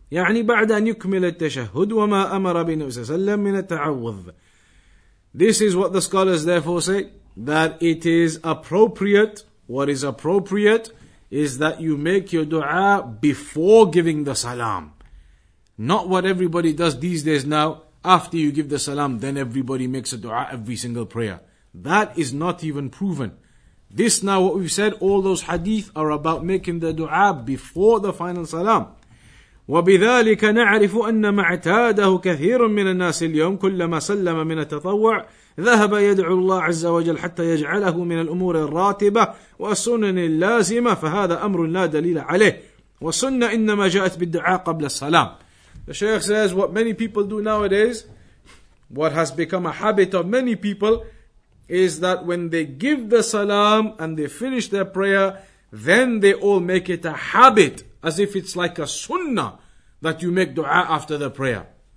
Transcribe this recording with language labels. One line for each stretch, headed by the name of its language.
Arabic: يعني بعد أن يكمل التشهد وما أمر بنفسه سلم من التعوض.
English: This is what the scholars therefore say, that it is appropriate, what is appropriate is that you make your dua before giving the salam. Not what everybody does these days now, after you give the salam, then everybody makes a dua every single prayer. That is not even proven. This now, what we've said, all those hadith are about making the dua before the final salam.
Arabic: وبذلك نعرف أن ما اعتاده كثير من الناس اليوم كلما سلم من التطوع ذهب يدعو الله عز وجل حتى يجعله من الأمور الراتبة والسنن اللازمة، فهذا أمر لا دليل عليه، والسنة إنما جاءت بالدعاء قبل السلام.
English: The Shaykh says what many people do nowadays, what has become a habit of many people, is that when they give the salam and they finish their prayer, then they all make it a habit, as if it's like a sunnah that you make dua after the prayer.